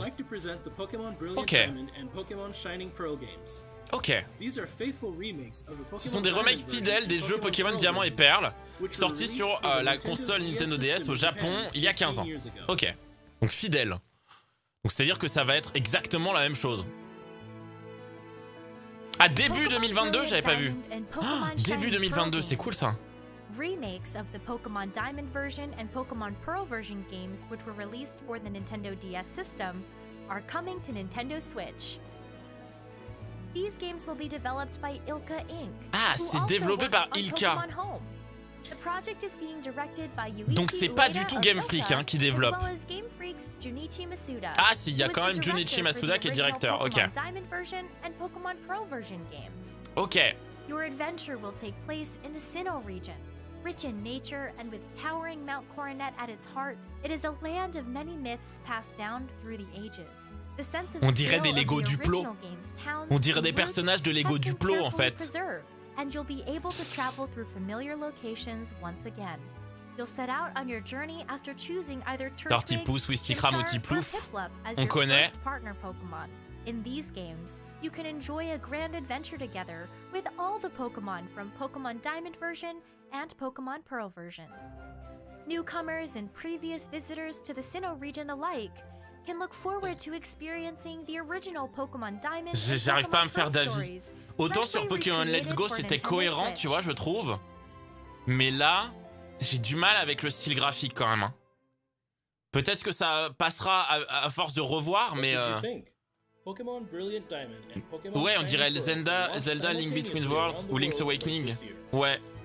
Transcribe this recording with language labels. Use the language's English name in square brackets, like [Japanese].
[English] I'd like to present the Pokémon Brilliant Diamond and Pokémon Shining Pearl games. OK. These are faithful remakes of the Pokémon. [French] Ce sont des remakes fidèles des jeux Pokémon Diamant et Perle sortis sur la console Nintendo DS au Japon il y a 15 ans. OK. Donc fidèles. Donc c'est-à-dire que ça va être exactement la même chose. À début 2022, j'avais pas vu. Oh, début 2022, c'est cool ça. [English] Remakes of the Pokémon Diamond version and Pokémon Pearl version games which were released for the Nintendo DS system are coming to Nintendo Switch. These games will be developed by Ilka Inc. [French] Ah, c'est développé par Ilka. [English] The project is being directed by Yuichi. [French] Donc c'est pas du tout Game Freak hein, qui développe. [English] As well as Game Freak's Junichi Masuda. [French] Ah, si, il y a quand même Junichi Masuda qui est directeur. [English] OK. Diamond version and Pokémon Pearl version games. OK. Your adventure will take place in the Sinnoh region. Rich in nature and with towering Mount Coronet at its heart, it is a land of many myths passed down through the ages. The sense of [French] on dirait des Lego Duplo. On dirait des personnages de Lego Duplo en fait. [English] And you'll be able to travel through familiar locations once again. You'll set out on your journey after choosing either Turtipus, Wistikram, ou Tiplouf. [French] On connaît partner Pokémon. [English] In these games, you can enjoy a grand adventure together with all the Pokémon from Pokémon Diamond version and Pokémon Pearl version. Newcomers and previous visitors to the Sinnoh region alike can look forward to experiencing the original Pokémon Diamond and [French] j'arrive Pokemon pas à me faire d'avis. Autant sur Pokémon Let's Go, c'était cohérent, tu vois, je trouve. Mais là, j'ai du mal avec le style graphique quand même. Hein. Peut-être que ça passera à force de revoir, mais... Pokémon Brilliant Diamond and Pokémon ouais, on dirait Zelda Link Between Worlds ou Link's Awakening. Ouais.